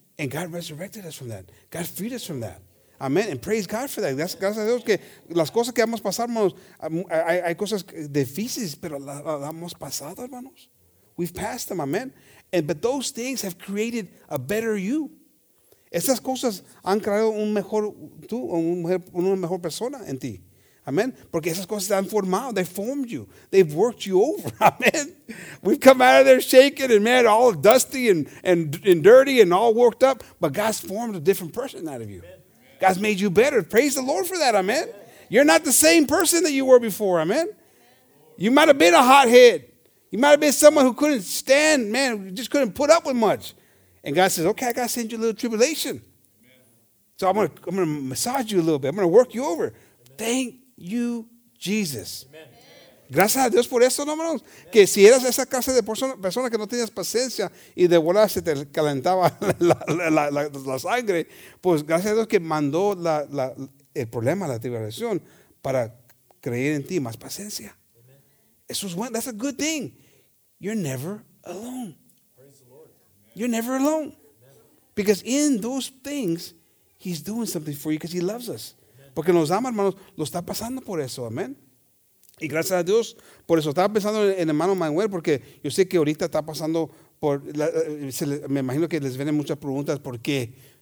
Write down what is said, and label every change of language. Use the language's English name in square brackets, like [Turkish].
[English] And God resurrected us from that. God freed us from that. Amen. And praise God for that. [Spanish] That's gracias a Dios que las cosas que hemos pasado, hermanos, hay cosas difíciles, pero las hemos pasado, hermanos. [English] We've passed them. [Spanish] Amen. [English] But those things have created a better you. [Spanish] Esas cosas han creado un mejor tú, una mejor persona en ti. [English] Amen. [Spanish] Porque esas cosas han formado. [English] They formed you. They've worked you over. Amen. We've come out of there shaking and mad, all dusty and dirty and all worked up. But God's formed a different person out of you. Amen. God's made you better. Praise the Lord for that. Amen. You're not the same person that you were before. Amen. You might have been a hothead. You might have been someone who couldn't stand, man, just couldn't put up with much. And God says, okay, I got to send you a little tribulation. Amen. So I'm gonna massage you a little bit. I'm going to work you over. Amen. Thank you, Jesus. [Spanish] Amen. Gracias a Dios por eso, no, hermanos. Que si eras esa clase de persona que no tenías paciencia y de volar se te calentaba la sangre, pues gracias a Dios que mandó el problema, la tribulación, para creer en ti más paciencia. [English] That's a good thing. You're never alone. You're never alone. Because in those things, he's doing something for you because he loves us. [Spanish] Porque nos ama, hermanos. Lo está pasando por eso. Amen. Y gracias a Dios, por eso estaba pensando en hermano Manuel, porque yo sé que ahorita está pasando por, me imagino que les vienen muchas preguntas, ¿por qué?